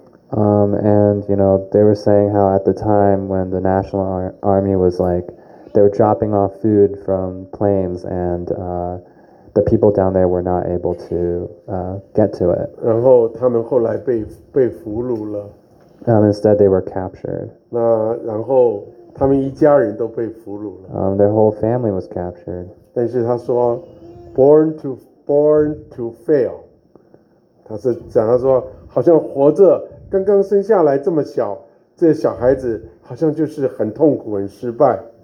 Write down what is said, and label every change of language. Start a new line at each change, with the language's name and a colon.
English: And you know they were saying how at the time when the National Army was like they were dropping off food from planes and the people down there were not able to get to it.
Chinese: 然后他们后来被俘虏了。
English: Instead, they were captured.
Chinese: 那然后他们一家人都被俘虏了。
English: Their whole family was captured.
Chinese: 但是他说
English: born to fail.
Chinese: 他是讲他说好像活着刚刚生下来这么小，这些小孩子好像就是很痛苦很失败。